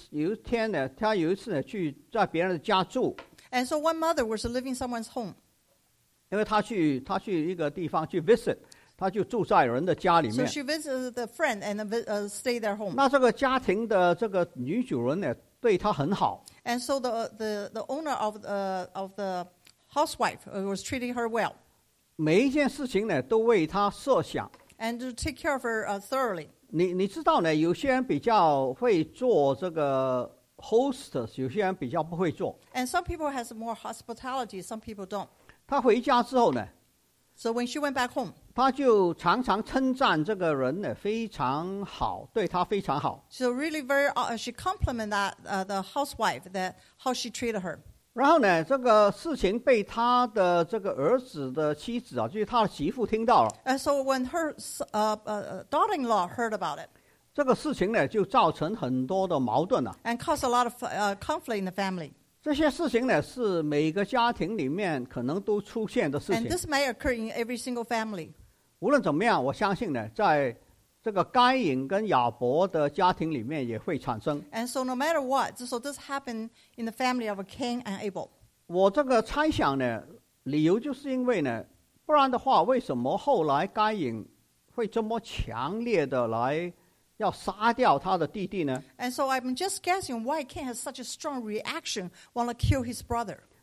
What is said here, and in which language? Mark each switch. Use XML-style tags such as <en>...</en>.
<zh>有一次有一个母亲，不是我的母亲，有一个母亲呢，她去这个，我母亲其实常常把我来跟别人比较，不过这个不是我要讲的。这个有一个母亲呢，她有一次呢去在别人的家住。</zh> <en>And so one mother was living someone's home.</en> <zh>因为她去一个地方去visit, 她就住在人的家里面。</zh> <en>So she visited the friend and stayed their home.</en> <zh>那这个家庭的这个女主人呢, 对她很好。</zh> <en>And so the owner of the housewife was treating her well.</en> <zh>每一件事情呢, 都为她设想。</zh> <en>And to take care of her thoroughly.</en> <zh>你知道呢, 有些人比较会做这个, Hosts, 有些人比较不会做。</zh> <en>And some people have more hospitality, some people don't.</en> <zh>她回家之后呢,</zh> <en>So when she went back home,</en> <zh>她就常常称赞这个人呢, 非常好, 对她非常好。</zh> <en>So really very, she complimented that, the housewife, that how she treated her.</en> <zh>然后呢, 这个事情被她的这个儿子的妻子啊, 就是她的媳妇听到了。</zh> <en>And so when her daughter-in-law heard about it,</en> <zh>这个事情呢, 就造成很多的矛盾了。</zh> <en>And caused a lot of conflict in the family.</en> <zh>这些事情呢, 是每个家庭里面可能都出现的事情。</zh> <en>And this may occur in every single family.</en> <zh>无论怎么样, 我相信呢, 在这个该隐跟亚伯的家庭里面也会产生。</zh> <en>And so no matter what, so this happened in the family of Cain and Abel.</en> <zh>我这个猜想呢, 理由就是因为呢, 不然的话, 为什么后来该隐会这么强烈的来 要杀掉他的弟弟呢?</zh> <en>And so I'm just guessing why Cain has such a strong reaction want to kill his brother.</en>